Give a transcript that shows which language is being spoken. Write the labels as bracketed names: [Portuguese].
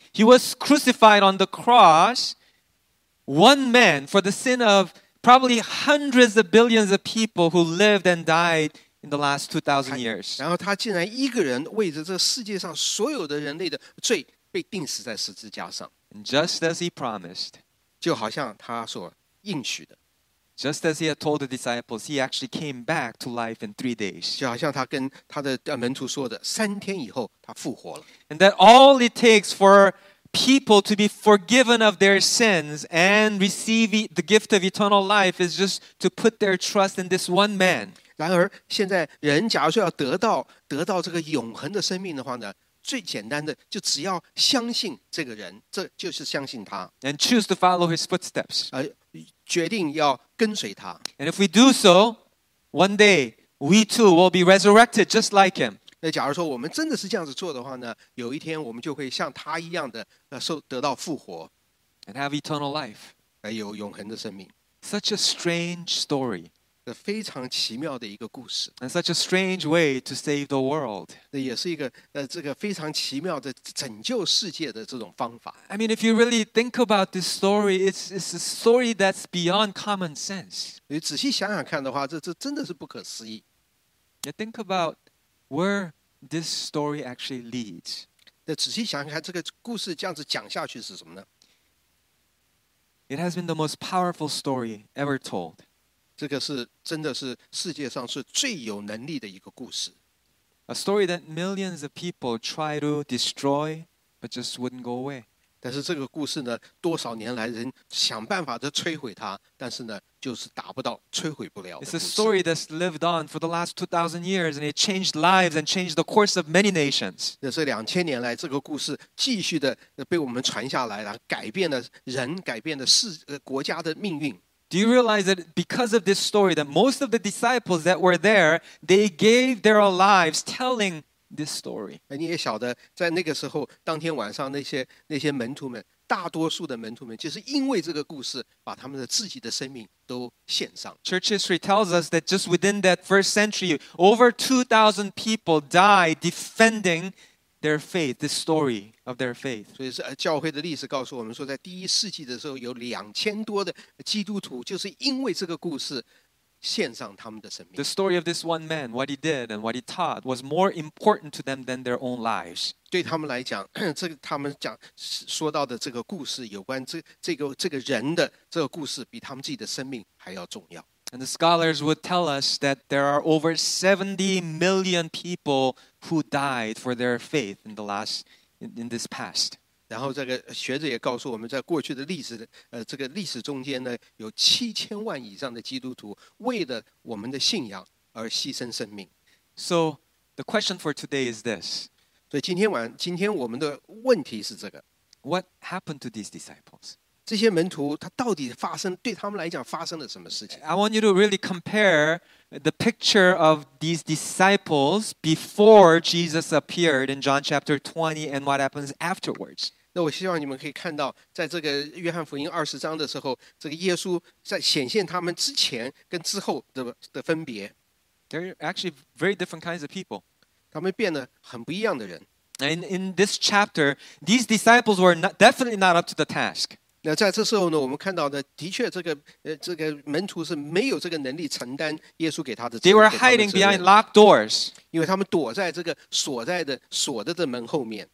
[English] He was crucified on the cross, one man for the sin of probably hundreds of billions of people who lived and died. In the last 2,000 years. [Chinese] 然后他竟然一个人为着这世界上所有的人类的罪被钉死在十字架上。 [English] Just as he promised. [Chinese] 就好像他所应许的。 [English] Just as he had told the disciples, he actually came back to life in 3 days. [Chinese] 就好像他跟他的门徒说的，3天以后他复活了。 [English] And that all it takes for people to be forgiven of their sins and receive the gift of eternal life is just to put their trust in this one man. [Chinese] 然而现在人假如说要得到这个永恒的生命的话呢，最简单的就只要相信这个人，这就是相信他。 [English] And choose to follow his footsteps. [Chinese] 决定要跟随他。 [English] And if we do so, one day, we too will be resurrected just like him. [Chinese] 那假如说我们真的是这样子做的话呢，有一天我们就会像他一样的得到复活。 [English] And have eternal life. [Chinese] 有永恒的生命。 [English] Such a strange story. [Chinese] 非常奇妙的一个故事 [English] and such a strange way to save the world [Chinese] 也是一个这个非常奇妙的拯救世界的这种方法 [English] I mean if you really think about this story it's a story that's beyond common sense [Chinese] 你仔细想想看的话这真的是不可思议 [English] you think about where this story actually leads [Chinese] 仔细想想看这个故事这样子讲下去是什么呢 [English] it has been the most powerful story ever told [Chinese] 这个是真的是世界上是最有能力的一个故事。 [English] A story that millions of people try to destroy, but just wouldn't go away. [Chinese] 但是这个故事呢，多少年来人想办法的摧毁它，但是呢，就是达不到，摧毁不了。 [English] It's a story that's lived on for the last 2,000 years, and it changed lives and changed the course of many nations. [Chinese] 这是2000年来这个故事继续的被我们传下来，然后改变了人，改变了国家的命运。 [English] Do you realize that because of this story that most of the disciples that were there, they gave their lives telling this story. [Chinese] 你也晓得，在那个时候，当天晚上那些门徒们，大多数的门徒们，就是因为这个故事，把他们的自己的生命都献上。 [English] Church history tells us that just within that first century, over 2,000 people died defending their faith, the story of their faith. [Chinese] 所以是教会的历史告诉我们说，在第一世纪的时候，有2000多的基督徒，就是因为这个故事。 [English] The story of this one man, what he did and what he taught, was more important to them than their own lives. [Chinese] 对他们来讲，这个他们讲说到的这个故事，有关这个人的这个故事，比他们自己的生命还要重要。 [English] And the scholars would tell us that there are over 70 million people who died for their faith in this past. [Chinese] 然后这个学者也告诉我们，在过去的历史的这个历史中间呢，有7000万以上的基督徒为了我们的信仰而牺牲生命。 [English] So the question for today is this. [Chinese] 所以今天我们的问题是这个。 [English] What happened to these disciples? [Chinese] 这些门徒他到底发生对他们来讲发生了什么事情 [English] ？I want you to really compare the picture of these disciples before Jesus appeared in John chapter 20 and what happens afterwards. [Chinese] 那我希望你们可以看到，在这个约翰福音二十章的时候，这个耶稣在显现他们之前跟之后的分别。 [English] They're actually very different kinds of people. [Chinese] 他们变得很不一样的人。 [English] And in this chapter, these disciples were definitely not up to the task. [Chinese] 那在这时候呢，我们看到的的确，这个门徒是没有这个能力承担耶稣给他的责任。 [English] They were hiding behind locked doors， [Chinese] 因为他们躲在这个锁着的门后面。